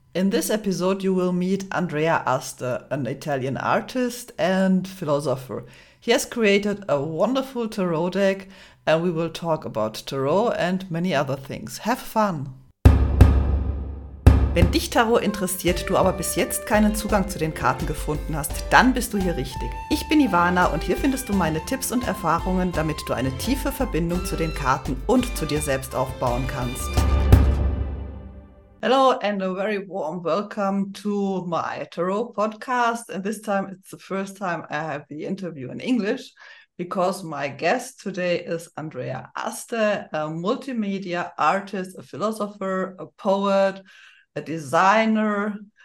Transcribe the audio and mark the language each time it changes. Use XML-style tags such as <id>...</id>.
<en>In this episode, you will meet Andrea Aster, an Italian artist and philosopher. He has created a wonderful tarot deck, and we will talk about tarot and many other things. Have fun!</en> <de>Wenn dich Tarot interessiert, du aber bis jetzt keinen Zugang zu den Karten gefunden hast, dann bist du hier richtig. Ich bin Ivana und hier findest du meine Tipps und Erfahrungen, damit du eine tiefe Verbindung zu den Karten und zu dir selbst aufbauen kannst.</de> <en>Hello and a very warm welcome to my Tarot podcast. And this time it's the first time I have the interview in English because my guest today is Andrea Aster, a multimedia artist, a philosopher, a poet, a designer.</en>